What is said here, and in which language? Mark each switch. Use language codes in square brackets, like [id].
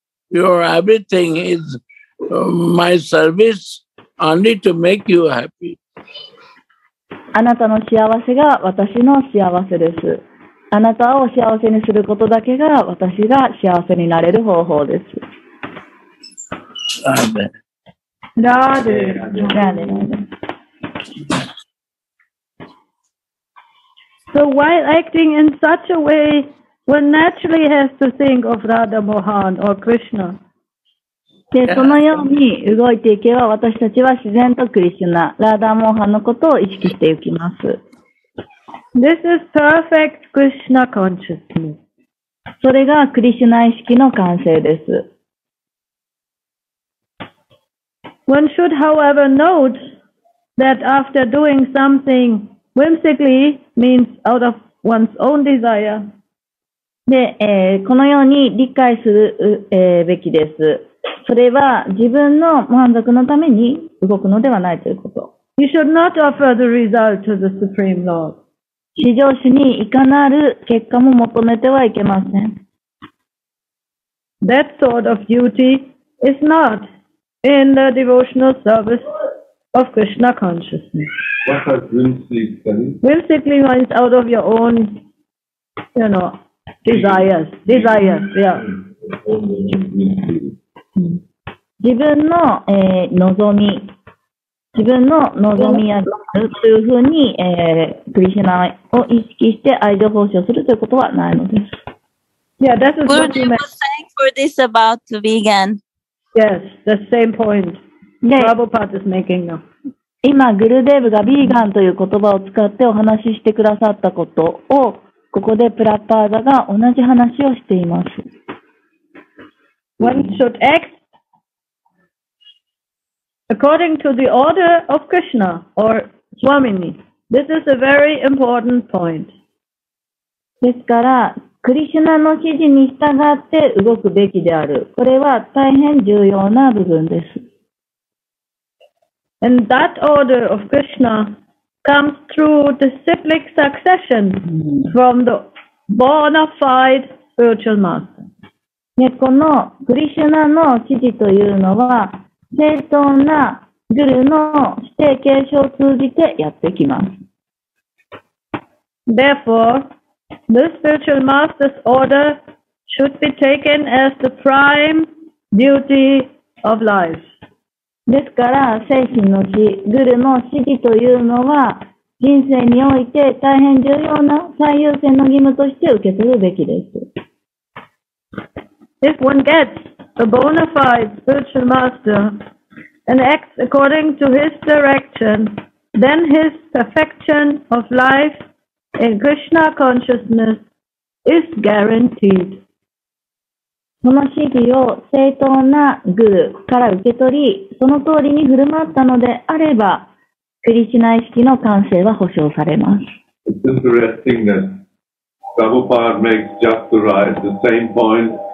[en] Your everything is my service only to make you happy. [ja] あなたの幸せが私の幸せです。あなたを幸せにすることだけが私が幸せになれる方法です。ラーデ。ラーデ。ラーデ。 [en] So while acting in such a way, one naturally has to think of Radha Mohan or Krishna. [ja] で、そのように動いていけば私たちは自然とクリシュナ、ラーダモーハンのことを意識していきます。 [en] This is perfect Krishna consciousness. [ja] それがクリシュナ意識の完成です。 [en] One should, however, note that after doing something whimsically means out of one's own desire. [ja] で、このように理解する、べきです。それは自分の満足のために動くのではないということ。 [en] You should not offer the result to the Supreme Lord. [ja] 至上主にいかなる結果も求めてはいけません。 [en] That sort of duty is not in the devotional service of Krishna consciousness. What has whimsically done? Whimsically means out of your own, you know, desires. Desires, yeah. [ja] 自分の、望み。自分の望みやというふうに、クリシュナを意識して愛情奉仕をするということはないのです。 [en] Yeah, that's what Guruji was saying for this about vegan. Yes, the same point. Prabhupada is making now. [ja] 今、グルデーブがビーガンという言葉を使ってお話ししてくださったことを、ここでプラッパーダが同じ話をしています。 [en] One should act. According to the order of Krishna or Swamini, this is a very important point. [ja] ですから、クリシュナの指示に従って動くべきである。これは大変重要な部分です。 [en] And that order of Krishna comes through the cyclic succession from the bona fide spiritual master. [ja] ね、このクリシュナの指示というのは、正当なグルの指定継承を通じてやってきます。 [en] Therefore, the spiritual master's order should be taken as the prime duty of life. [ja] ですから、精神の師、グルの師事というのは、人生において大変重要な最優先の義務として受け取るべきです。 [en] If one gets a bona fide spiritual master and acts according to his direction, then his perfection of life in Krishna consciousness is guaranteed. [ja] その指示を正当なグルから受け取り、その通りに振る舞ったのであれば、クリシュナ意識の完成は保証されます。 [en] It's interesting that Prabhupada makes just the right at the same point.